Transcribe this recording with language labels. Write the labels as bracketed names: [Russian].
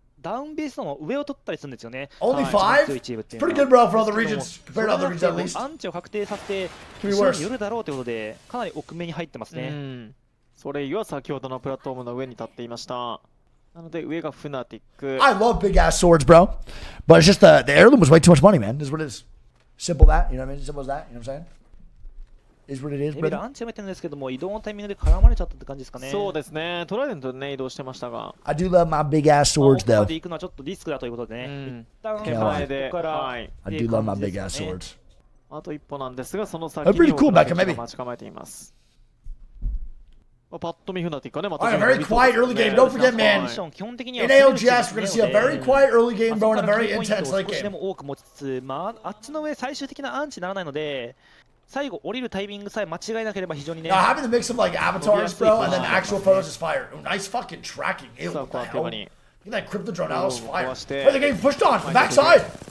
[Japanese] ダウンビーストの上を取ったりするんですよね。 [English] Only five? Pretty good, bro, for other regions. Compared to other regions, at least. [Japanese] アンチを確定させて、後ろに寄るだろうということで、かなり奥目に入ってますね。それは先ほどのプラットフォームの上に立っていました。なので上がフナティック。 [English] I love big ass swords, bro. But it's just the heirloom was way too much money, man. Is what it is. Simple that, you know what I mean? Simple as that, you know what I'm saying? Is what it is, brother. [Japanese] アンチを見てるんですけども、移動のタイミングで絡まれちゃったって感じですかね。そうですね。トライデントでね、移動してましたが。 [English] I do love my big ass swords, though. [Japanese] ここで行くのはちょっとリスクだということでね。一旦手前で。 [English] I do love my big ass swords. [Japanese] あと一歩なんですが、その先に。 [English] I'm pretty cool back, maybe. [Japanese] 待ち構えています。パッと見フナティックね、また。 [English] Very quiet early game. Don't forget, man. In ALGS, we're gonna see a very quiet early game, bro, and a very intense late game. [Japanese] でも多く持ちつつ、まあ、あっちの上最終的なアンチならないので。最後降りるタイミングさえ間違いなければ非常にね。 [English] Now, having to mix some like avatars, bro, and then actual photos is fire. Oh, nice fucking tracking. Ew, what the hell? Look at that crypto drone, that was fire. Wait, the game pushed on from the backside.